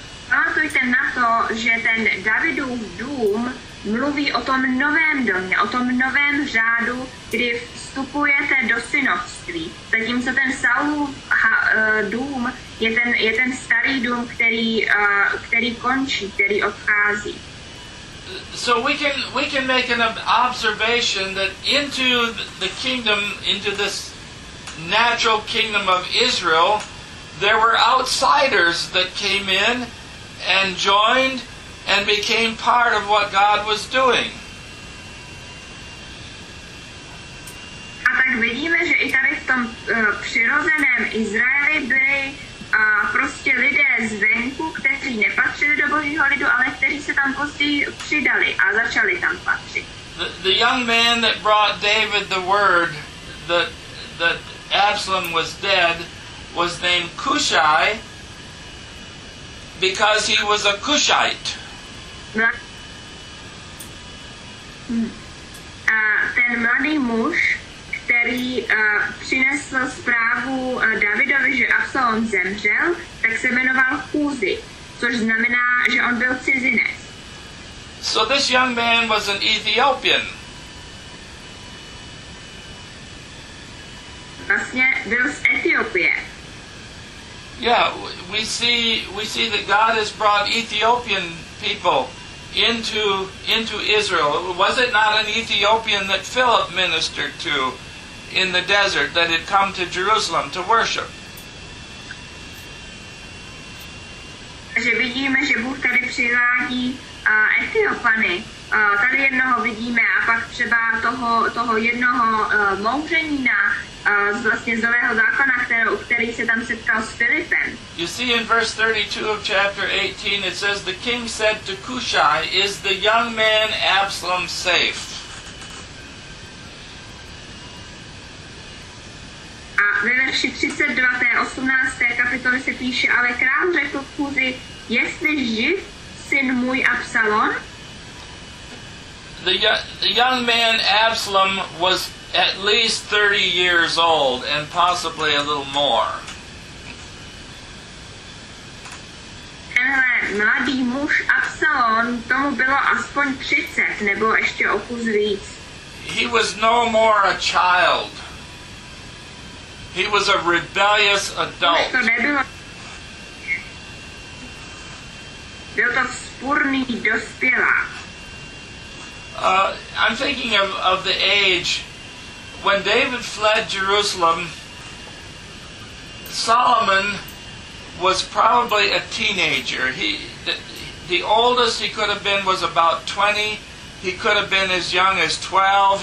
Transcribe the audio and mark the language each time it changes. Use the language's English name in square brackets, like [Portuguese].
[Czech] Pamatujte na to, že ten Davidův dům mluví o tom novém domě, o tom novém řádu, kdy vstupujete do synovství. Zatímco ten Saulův dům je ten starý dům, který končí, který odchází. [English] So we can make an observation that into the kingdom, into this natural kingdom of Israel, there were outsiders that came in and joined and became part of what God was doing. [Czech] A tak vidíme, že i tady v tom přirozeném Izraeli byli prostě lidé zvenku, kteří nepatřili do Božího lidu, ale kteří se tam později přidali a začali tam patřit. [English] The young man that brought David the word that Absalom was dead was named Cushai, because he was a Cushite. [Czech] A ten mladý muž, který přinesl zprávu Davidovi, že Absalom zemřel, tak se jmenoval Kuzi, což znamená, že on byl cizinec. [English] So this young man was an Ethiopian. [Czech] Vlastně byl z Etiopie. [English] Yeah, we see that God has brought Ethiopian people into Israel. Was it not an Ethiopian that Philip ministered to in the desert that had come to Jerusalem to worship? [Czech] Takže vidíme, že Bůh tady přivádí Etiopany. Tady jednoho vidíme a pak třeba toho jednoho mouřenina vlastně z Nového zákona, který se tam setkal s Filipem. [English] You see in verse 32 of chapter 18 it says the king said to Cushai, is the young man Absalom safe? [Czech] A ve verši 32 té 18. kapitoly se píše, ale král řekl Kuzi, jestli živ syn můj Absalom? [English] The young man Absalom was at least 30 years old, and possibly a little more. [Czech] Tenhle mladý muž Absalom, tomu bylo aspoň 30, nebo ještě o kus víc. [English] He was no more a child. He was a rebellious adult. [Czech] To nebylo. Byl to vzpůrný dospělák. [English] I'm thinking of the age when David fled Jerusalem. Solomon was probably a teenager. The oldest he could have been was about 20. He could have been as young as 12.